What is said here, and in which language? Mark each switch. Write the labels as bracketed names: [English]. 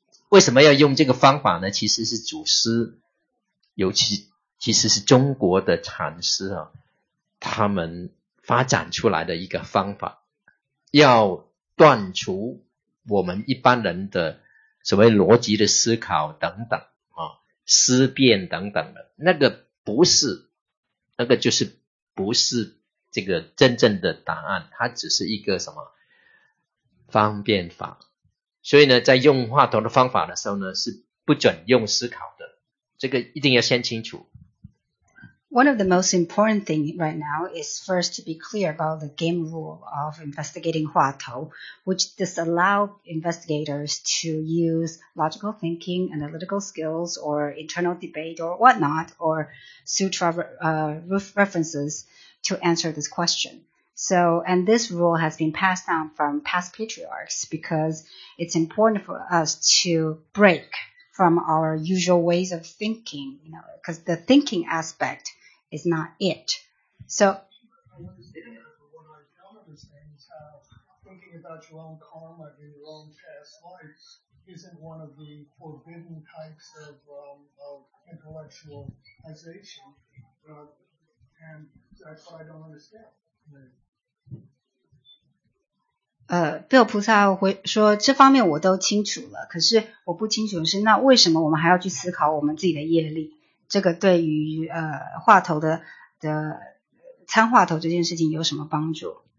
[Chinese] 为什么要用这个方法呢？其实是祖师，尤其其实是中国的禅师啊，他们发展出来的一个方法，要断除我们一般人的所谓逻辑的思考等等啊，思辨等等的，那个就是不是这个真正的答案，它只是一个什么方便法。所以呢，在用话头的方法的时候呢，是不准用思考的，这个一定要先清楚。 [English] One of the most important thing right now is first to be clear about the game rule of investigating 话头, which disallow investigators to use logical thinking, analytical skills, or internal debate, or whatnot, or sutra references to answer this question. So, and this rule has been passed down from past patriarchs because it's important for us to break from our usual ways of thinking, you know, because the thinking aspect is not it. So, what I don't understand is how thinking about your own karma in your own past life isn't one of the forbidden types of intellectualization, and that's what I don't understand. [Chinese] Bill 菩萨会说这方面我都清楚了，可是我不清楚的是那为什么我们还要去思考我们自己的业力，这个对于话头的参话头这件事情有什么帮助？